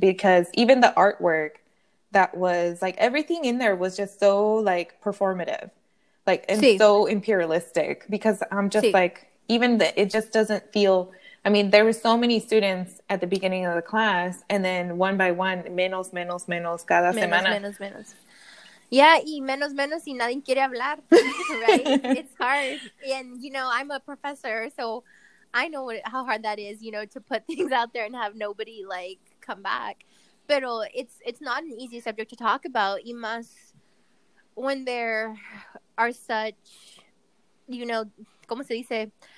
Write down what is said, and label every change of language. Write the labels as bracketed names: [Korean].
[English] Because even the artwork that was like everything in there was just so like performative, like, and sí. So imperialistic, because I'm just sí. Like, even the, it just doesn't feel, I mean, there were so many students at the beginning of the class and then one by one, [Spanish] menos, menos, menos, cada menos, semana. Menos, menos. Yeah, y menos, menos, y nadie quiere hablar, right? [English] It's hard. And, you know, I'm a professor, so I know how hard that is, you know, to put things out there and have nobody, like, come back. Pero it's not an easy subject to talk about. [Spanish] Y más, [English] when there are such, you know, [Spanish] ¿cómo se dice?